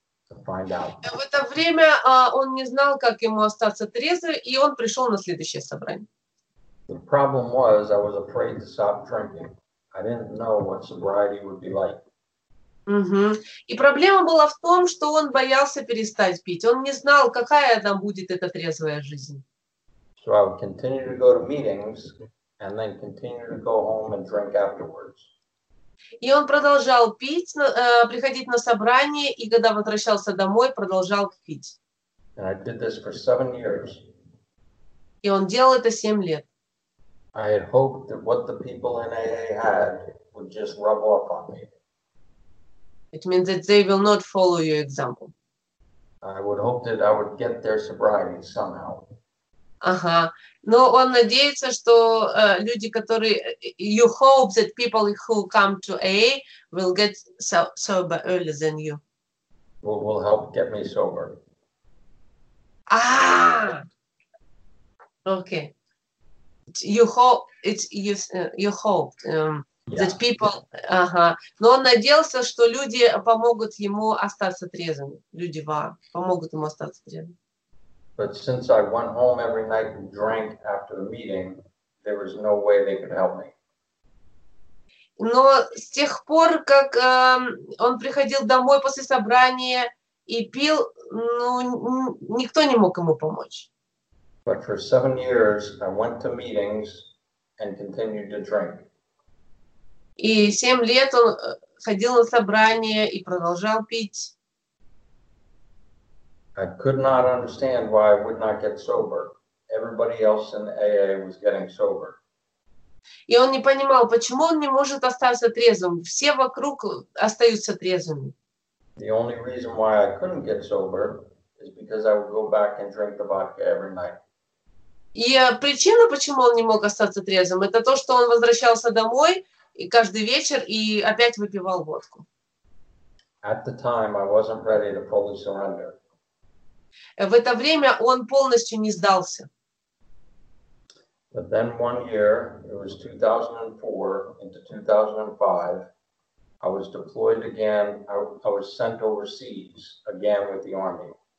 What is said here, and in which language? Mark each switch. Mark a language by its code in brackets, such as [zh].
[ru] В это время он не знал, как ему остаться трезвым, и он пришел на следующее собрание. [en] The problem was, I was afraid to stop drinking. I didn't know what sobriety would be like. [ru] И проблема была в том, что он боялся перестать пить. Он не знал, какая там будет эта трезвая жизнь. [en] So I would continue to go to meetings and then continue to go home and drink afterwards. [ru] И он продолжал пить, приходить на собрание, и когда возвращался домой, продолжал пить. [en] And I did this for 7 years. [ru] И он делал это 7 лет. [en] I had hoped that what the people in AA had would just rub off on me. It means that they will not follow your example. I would hope that I would get their sobriety somehow. [ru] Ага. Но он надеется, что люди, которые... [en] You hope that people who come to AA will get sober earlier than you. Will help get me sober. Ah! Okay. You hope yeah. That people... [ru] Ага. Но он надеялся, что люди помогут ему остаться трезвым. Люди помогут ему остаться трезвым. [en] But since I went home every night and drank after the meeting, there was no way they could help me. [ru] Но с тех пор, как он приходил домой после собрания и пил, ну, никто не мог ему помочь. [en] But for 7 years, I went to meetings and continued to drink. [ru] И 7 лет он ходил на собрания и продолжал пить. [en] I could not understand why I would not get sober. Everybody else in AA was getting sober. [ru] И он не понимал, почему он не может остаться трезвым. Все вокруг остаются трезвыми. [en] The only reason why I couldn't get sober is because I would go back and drink the vodka every night. [ru] И причина, почему он не мог остаться трезвым, это то, что он возвращался домой и каждый вечер и опять выпивал водку. [en] At the time, I wasn't ready to fully surrender. [ru] В это время он полностью не сдался. [en] But then 1 year, it was 2004 into 2005, I was deployed again, I was sent overseas again with the army.